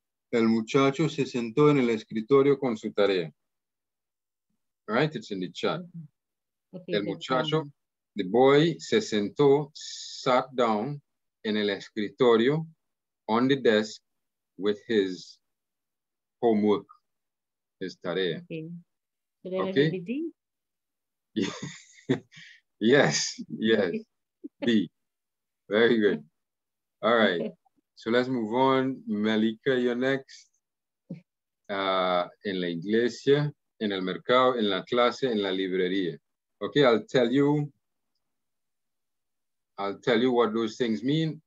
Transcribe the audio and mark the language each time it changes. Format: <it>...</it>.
<es>El muchacho se sentó en el escritorio con su tarea.</es> <en>All right, it's in the chat. Okay,</en> <es>el muchacho,</es> <en>the boy,</en> <es>se sentó,</es> <en>sat down in</en> <es>el escritorio,</es> <en>on the desk, with his homework, his tarea. Okay. Did okay? I have yes. D. Very good. All right. So let's move on. Melika, you're next.</en> <es>En la iglesia, en el mercado, en la clase, en la librería.</es> <en>Okay, I'll tell you what those things mean.</en>